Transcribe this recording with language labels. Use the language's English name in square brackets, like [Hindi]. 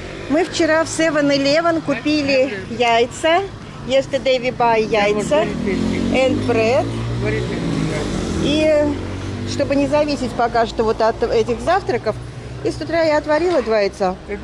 [Russian] Мы вчера в 7-Eleven купили яйца. [English] Yesterday we buy яйца. And bread. [Russian] И чтобы не зависеть пока что вот от этих завтраков, и с утра я отварила два яйца.